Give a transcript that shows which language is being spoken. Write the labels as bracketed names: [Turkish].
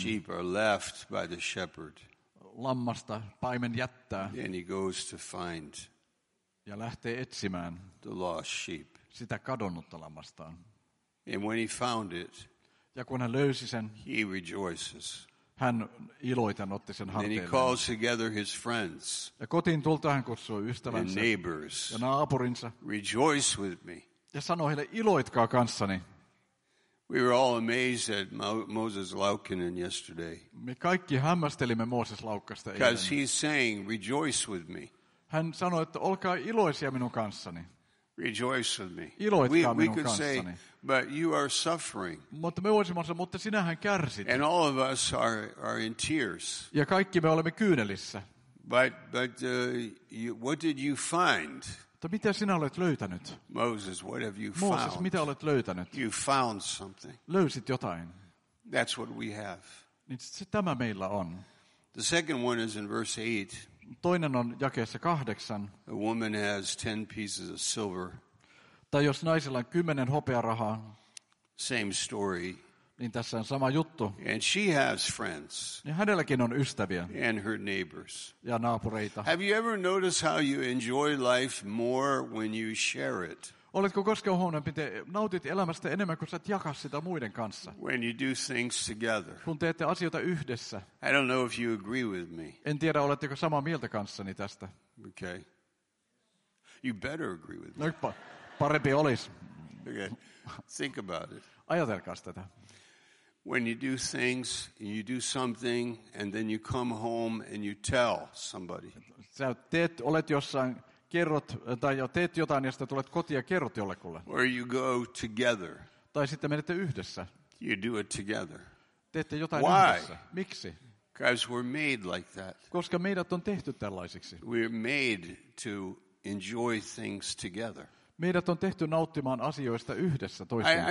[English] Sheep are left by the shepherd. [Finnish] Lammasta paimen jättää. [English] And he goes to find. [Finnish] Ja lähtee etsimään. [English] The lost sheep. [Finnish] Sitä kadonnutta lammastaan. [English] And when he found it. [Finnish] Ja kun hän löysi sen. [English] He rejoices. [Finnish] Hän iloiten otti sen harteilleen. [English] And he calls together his friends. [Finnish] Ja kotiin tultua hän kutsui ystävänsä. [English] And neighbors. [Finnish] Ja naapurinsa. [English] Rejoice with me. [Finnish] Ja sanoi heille, iloitkaa kanssani. [English] We were all amazed at Moses Laukkanen yesterday. [Finnish] Me kaikki hämmästelimme Mooses Laukkasta eilen. [English] Because he's saying, rejoice with me. [Finnish] Hän sanoi, että olkaa iloisia minun kanssani. [English] Rejoice with me. [Finnish] Iloitkaa minun [English] could [Finnish] kanssani. [English] Say, but you are suffering. [Finnish] Mutta me voisimme sanoa, mutta sinähän kärsit. [English] And all of us are in tears. [Finnish] Ja kaikki me olemme kyynelissä. [English] But what did you find? [Finnish] Mutta mitä sinä olet löytänyt? [English] Moses, what have you Moses found? [Finnish] Mitä olet löytänyt? [English] You found something. [Finnish] Löysit jotain. [English] That's what we have. [Finnish] Niin se tämä meillä on. [English] The second one is in verse 8. [Finnish] Toinen on jakeessa 8. [English] A woman has 10 pieces of silver. [Finnish] Tai jos naisella on 10 hopearahaa. [English] Same story. [Finnish] Niin tässä on sama juttu. [English] And she has friends. [Finnish] Niin hänelläkin on ystäviä. [English] And her neighbors. [Finnish] Ja naapureita. [English] Have you ever noticed how you enjoy life more when you share it? [Finnish] Oletko koskaan huomannut, että nautit elämästä enemmän kuin sä et jaka sitä muiden kanssa? [English] When you do things together. [Finnish] Kun teette asioita yhdessä. [English] I don't know if you agree with me. [Finnish] En tiedä, oletteko samaa mieltä kanssani tästä. [English] Okay. You better agree with me. [Finnish] No, parempi olis. [English] Okay. Think about it. [Finnish] Ajatelkaas tätä. [English] When you do things, you do something, and then you come home and you tell somebody. [Finnish] Sä teet, olet jossain, kerrot, tai teet jotain, ja sitten tulet kotiin ja kerrot jollekulle. [English] Or you go together. [Finnish] Tai sitten menette yhdessä. [English] You do it together. [Finnish] Teette jotain [English] Why? [Finnish] Yhdessä. Miksi? [English] Because we're made like that. [Finnish] Koska meidät on tehty tällaisiksi. [English] We're made to enjoy things together. [Finnish] Meidät on tehty nauttimaan asioista yhdessä toisten kanssa.